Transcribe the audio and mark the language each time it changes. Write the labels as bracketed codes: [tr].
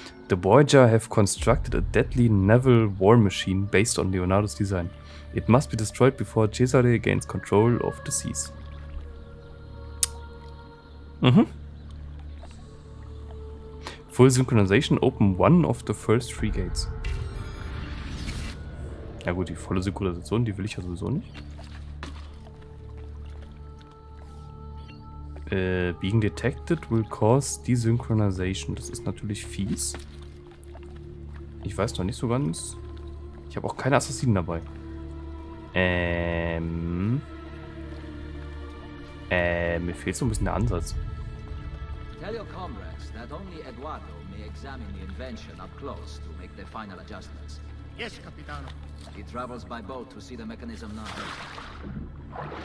[en] The Voyager have constructed a deadly naval war machine based on Leonardo's design. It must be destroyed before Cesare gains control of the seas. Mhm. Full Synchronization, open one of the first three gates. [de] Ja gut, die volle Synchronisation, die will ich ja sowieso nicht. [en] Being detected will cause desynchronization. [de] Das ist natürlich fies. Ich weiß noch nicht so ganz. Ich habe auch keine Assassinen dabei. Mir fehlt so ein bisschen der Ansatz. [en] Tell your comrades that only Eduardo may examine the invention up close to make the final adjustments. Yes, Capitano. He travels by boat to see the mechanism now.